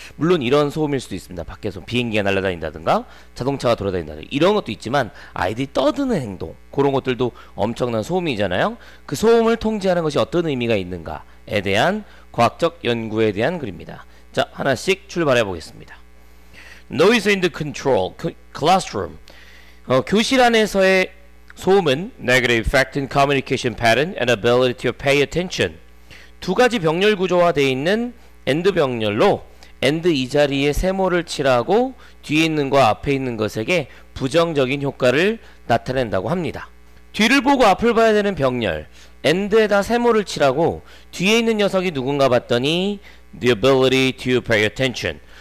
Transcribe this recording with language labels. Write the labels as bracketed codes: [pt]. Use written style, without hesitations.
[ko] 물론 이런 소음일 수도 있습니다. 밖에서 비행기가 날아다닌다든가 자동차가 돌아다닌다든가 이런 것도 있지만 아이들이 떠드는 행동, 그런 것들도 엄청난 소음이잖아요. 그 소음을 통제하는 것이 어떤 의미가 있는가에 대한 과학적 연구에 대한 글입니다. 자, 하나씩 출발해 보겠습니다. [en] Noise in the control classroom. [ko] 교실 안에서의 소음은 [en] negative effect in communication pattern and ability to pay attention. [ko] 두 가지 병렬 구조화 되어 있는 and 병렬로 and 이 자리에 세모를 칠하고 뒤에 있는 것과 앞에 있는 것에게 부정적인 효과를 나타낸다고 합니다. 뒤를 보고 앞을 봐야 되는 병렬 and에다 세모를 칠하고 뒤에 있는 녀석이 누군가 봤더니 [en] the ability to pay attention.